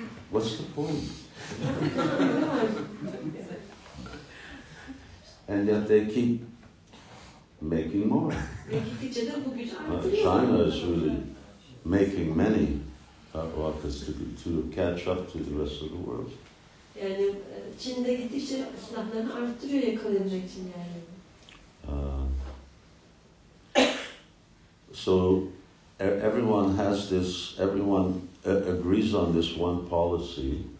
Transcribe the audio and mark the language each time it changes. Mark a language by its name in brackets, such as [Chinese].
[English] What's the point? And yet they keep making more. China is really making many rockets to catch up to the rest of the world. [Turkish] Yani Çin'de gittikçe silahlarını arttırıyor yakalayabilmek için yani. [English] So everyone has this, everyone agrees on this one policy.